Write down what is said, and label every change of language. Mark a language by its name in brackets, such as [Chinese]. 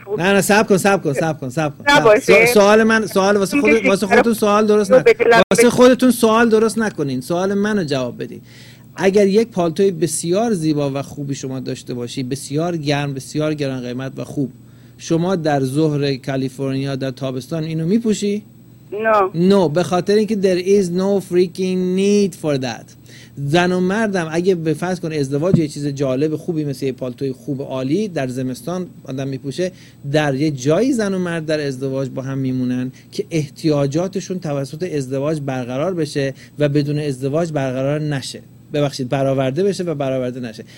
[Persian] نه سب کن سوال من، سوال واسه خودتون سوال درست نکنید، واسه خودتون سوال درست نکنین، سوال منو جواب بدین. اگر یک پالتوی بسیار زیبا و خوبی شما داشته باشی، بسیار گرم، بسیار گران قیمت و خوب، شما در ظهر کالیفرنیا در تابستان اینو میپوشی؟ [English] No. [Persian] به خاطر اینکه [English] there is no freaking need for that. [Persian] زن و مردم اگه بفرض کن ازدواج یه چیز جالب خوبی مثل یه پالتوی خوب عالی در زمستان آدم میپوشه، در یه جایی زن و مرد در ازدواج با هم میمونن که احتیاجاتشون توسط ازدواج برقرار بشه و بدون ازدواج برقرار نشه، ببخشید برآورده بشه و برآورده نشه.